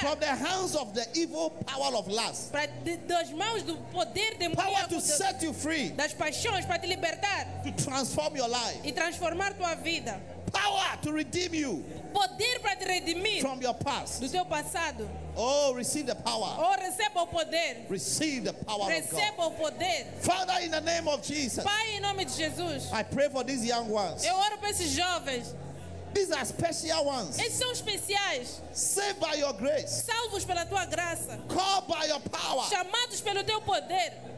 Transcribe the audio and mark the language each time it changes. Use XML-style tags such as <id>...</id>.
<en>From the hands of the evil power of lust.</en> <pt>Para das mãos do poder demoníaco.</pt> <en>Power to set you free.</en> <pt>Das paixões para te libertar.</pt> <en>To transform your life.</en> <pt>E transformar tua vida.</pt> <en>Power. power to redeem you.</en> <pt>Poder para te redimir.</pt> <en>From your past.</en> <pt>Do teu passado.</pt> <en>Oh, receive the power.</en> <pt>Oh, receba o poder.</pt> <en>Receive the power</en> <pt>receba</pt> <en>of God.</en> <pt>O poder.</pt> <en>Father, in the name of Jesus.</en> <pt>Pai, em nome de Jesus.</pt> <en>I pray for these young ones.</en> <pt>Eu oro para esses jovens.</pt> <en>These are special ones.</en> <pt>Eles são especiais.</pt> <en>Saved by your grace.</en> <pt>Salvos pela tua graça.</pt> <en>Called by your power.</en> <pt>Chamados pelo teu poder.</pt>